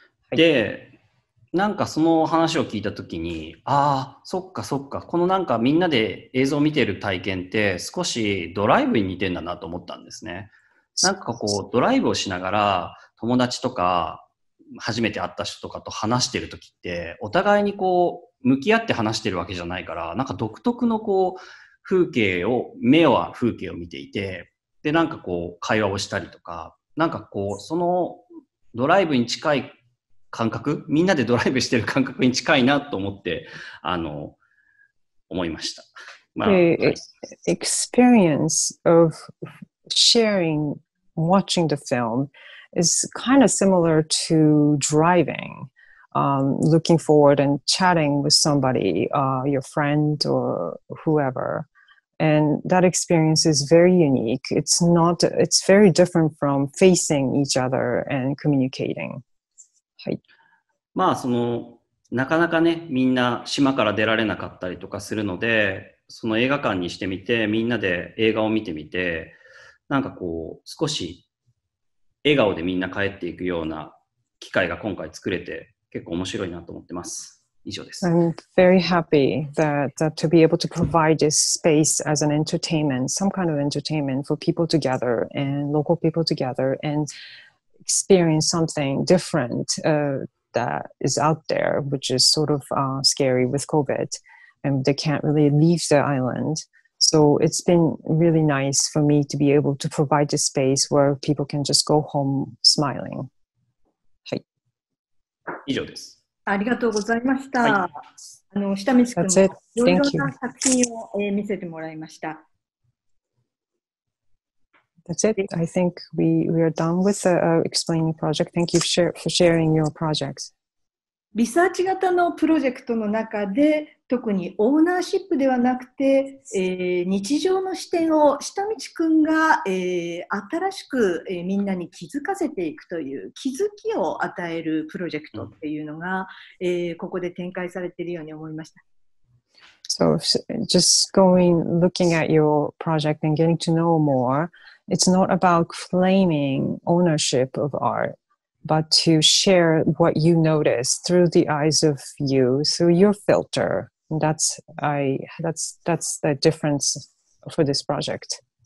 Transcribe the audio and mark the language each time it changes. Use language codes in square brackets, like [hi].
[ja] で、なんかその話を聞いたときに、ああ、そっかそっか、このなんかみんなで映像を見てる体験って少しドライブに似てんだなと思ったんですね。なんかこうドライブをしながら友達とか初めて会った人とかと話してる時ってお互いにこう向き合って話してるわけじゃないから、なんか独特のこう風景を目は風景を見ていて、でなんかこう会話をしたりとか、なんかこうそのドライブに近い感覚、みんなでドライブしてる感覚に近いなと思って思いました。ま [en] あ、The experience of sharing watching the filmIs kind of similar to driving, looking forward and chatting with somebody, your friend or whoever. And that experience is very unique. It's very different from facing each other and communicating. [ja] はい。まあ、その、なかなかね、みんな島から出られなかったりとかするので、その映画館にしてみて、みんなで映画を見てみて、なんかこう、少し、笑顔でみんな帰っていくような機会が今回作れて結構面白いなと思ってます。以上です。 [en] I'm very happy that to be able to provide this space as an entertainment, some kind of entertainment for people to gather and local people to gather and experience something different that is out there, which is sort of scary with COVID and they can't really leave the island. So it's been really nice for me to be able to provide a space where people can just go home smiling. はい。 [ja] 以上です。ありがとうございました。はい、あの下道くんもいろいろな作品を、見せてもらいました。 [en] That's it. I think we are done with the explaining project. Thank you for sharing your projects. [ja] リサーチ型のプロジェクトの中で、特にオーナーシップではなくて、日常の視点を下道くんが、新しく、みんなに気づかせていくという気づきを与えるプロジェクトっていうのが、ここで展開されているように思いました。 [en] So just going looking at your project and getting to know more. It's not about claiming ownership of art, but to share what you notice through the eyes of you, through your filter. And that's the difference for this project.